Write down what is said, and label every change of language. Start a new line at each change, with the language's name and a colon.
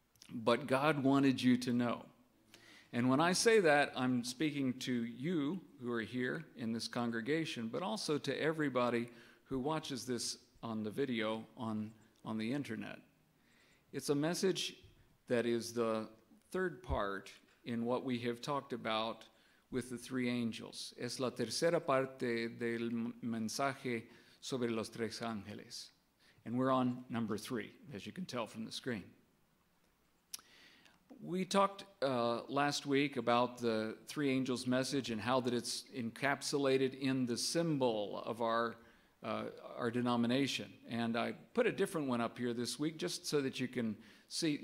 English: But God wanted you to know. And when I say that, I'm speaking to you who are here in this congregation, but also to everybody who watches this on the video on the internet. It's a message that is the third part in what we have talked about with the three angels.
Spanish: Es la tercera parte del mensaje sobre los tres ángeles.
English: And we're on number three, as you can tell from the screen. We talked last week about the three angels' message and how that it's encapsulated in the symbol of our denomination. And I put a different one up here this week just so that you can see.